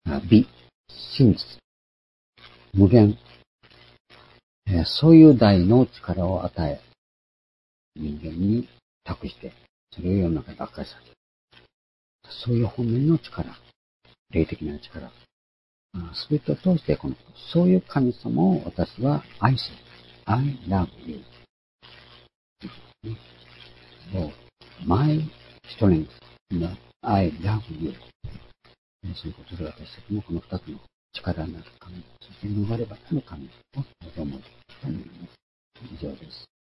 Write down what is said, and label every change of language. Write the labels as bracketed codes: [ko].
[ja] 美、真実、無限、そういう大の力を与え、人間に託して、それを世の中で明かさせる。そういう本面の力、霊的な力、すべてを通してこの、そういう神様を私は愛する。 [en] I love you. So, my strength, I love you. [ja] そういうことで私たちもこの二つの力なる神、そして逃れ場なる神を望むと思います。以上です。